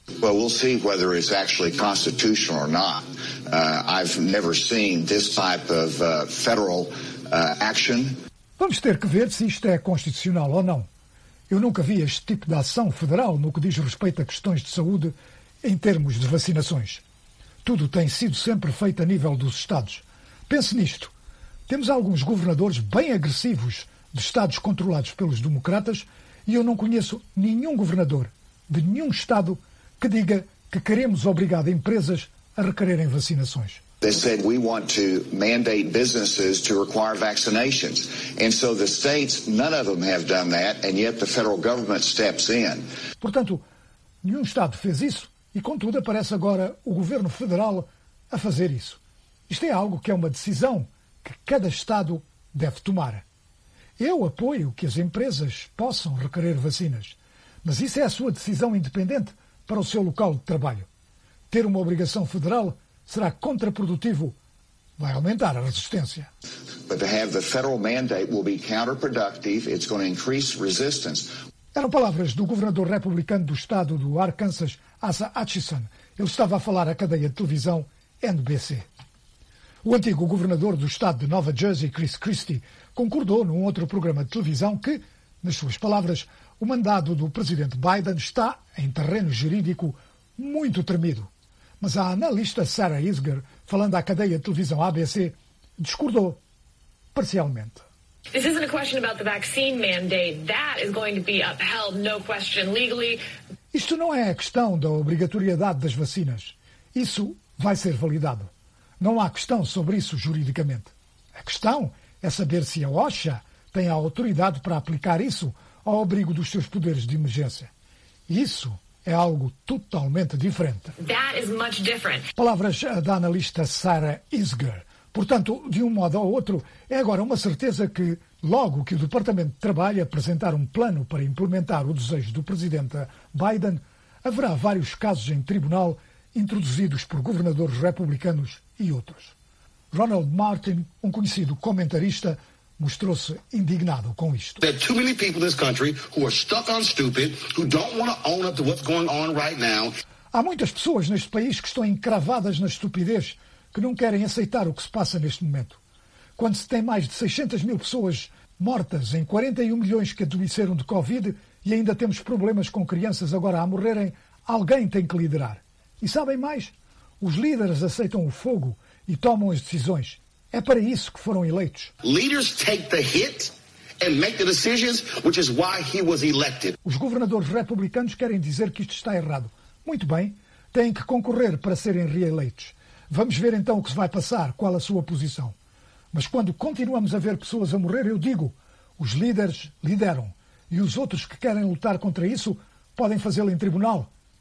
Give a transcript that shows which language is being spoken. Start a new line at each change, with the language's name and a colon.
English: Well, we'll see whether it's actually constitutional or not. I've never seen this type of federal action.
Portuguese: Vamos ter que ver se isto é constitucional ou não. Eu nunca vi este tipo de ação federal no que diz respeito a questões de saúde em termos de vacinações. Tudo tem sido sempre feito a nível dos estados. Pense nisto. Temos alguns governadores bem agressivos de estados controlados pelos democratas e eu não conheço nenhum governador de nenhum estado que diga que queremos obrigar empresas a requererem vacinações. They said we want to mandate businesses to require vaccinations. And so the states, none of them have done that, and yet the federal government steps in. Portanto, nenhum estado fez isso e, contudo, aparece agora o governo federal a fazer isso. Isto é algo que é uma decisão que cada estado deve tomar. Eu apoio que as empresas possam requerer vacinas, mas isso é a sua decisão independente para o seu local de trabalho. Ter uma obrigação federal será contraprodutivo, vai aumentar a resistência.
English: But to have the federal mandate will be counterproductive, it's going to increase resistance.
Portuguese: Eram palavras do governador republicano do estado do Arkansas, Asa Hutchinson. Ele estava a falar à cadeia de televisão NBC. O antigo governador do estado de Nova Jersey, Chris Christie, concordou num outro programa de televisão que, nas suas palavras, o mandado do presidente Biden está, em terreno jurídico, muito tremido. Mas a analista Sarah Isger, falando à cadeia de televisão ABC, discordou parcialmente.
English: This isn't a question about the vaccine mandate. That is going to be upheld, no question, legally.
Portuguese: Isto não é a questão da obrigatoriedade das vacinas. Isso vai ser validado. Não há questão sobre isso juridicamente. A questão é saber se a OSHA tem a autoridade para aplicar isso ao abrigo dos seus poderes de emergência. Isso é algo totalmente diferente.
English: That is much different.
Portuguese: Palavras da analista Sarah Isger. Portanto, de um modo ou outro, é agora uma certeza que, logo que o Departamento de Trabalho apresentar um plano para implementar o desejo do presidente Biden, haverá vários casos em tribunal introduzidos por governadores republicanos e outros. Ronald Martin, um conhecido comentarista, mostrou-se indignado com isto.
English: There are too many people in this country who are stuck on stupid, who don't want to own up to what's going on right now.
Portuguese: Há muitas pessoas neste país que estão encravadas na estupidez, que não querem aceitar o que se passa neste momento. Quando se tem mais de 600 mil pessoas mortas em 41 milhões que adoeceram de Covid e ainda temos problemas com crianças agora a morrerem, alguém tem que liderar. E sabem mais? Os líderes aceitam o fogo e tomam as decisões. É para isso que foram eleitos.
English: Leaders take the hit and make the decisions, which is why he was elected.
Portuguese: Os governadores republicanos querem dizer que isto está errado. Muito bem, têm que concorrer para serem reeleitos. Vamos ver então o que se vai passar, qual a sua posição. Mas quando continuamos a ver pessoas a morrer, eu digo, os líderes lideram. E os outros que querem lutar contra isso podem fazê-lo em tribunal.